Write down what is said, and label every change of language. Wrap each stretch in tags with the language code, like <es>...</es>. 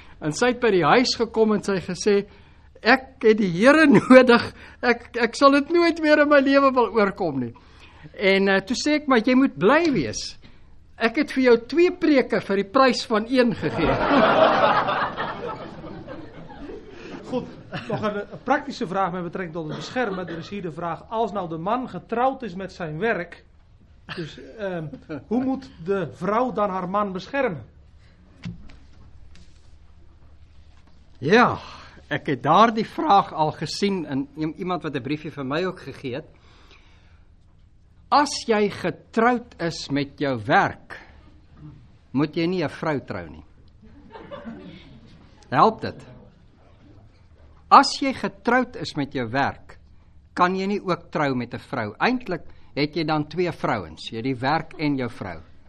<af>En sy het by die huis gekom en sy gesê, ek het die Here nodig, ek sal dit nooit meer in my lewe wil oorkom nie. En toe sê ek, maar jy moet bly wees. Ek het vir jou 2 preke vir die prys van 1 gegee.</af> <nl>Goed, nog een praktische vraag met betrekking tot het beschermen. Er is hier de vraag, als nou de man getrouwd is met zijn werk, dus hoe moet de vrouw dan haar man beschermen? Ja, ik heb daar die vraag al gezien en iemand wat een briefje van mij ook gegeven.</nl> <af>As jy getroud is met jou werk, moet jy nie 'n vrou trou nie. Help dit? As jy getroud is met jou werk, kan jy nie ook trou met 'n vrou. Eintlik het jy dan 2 vrouens, jy die werk en jou vrou.</af>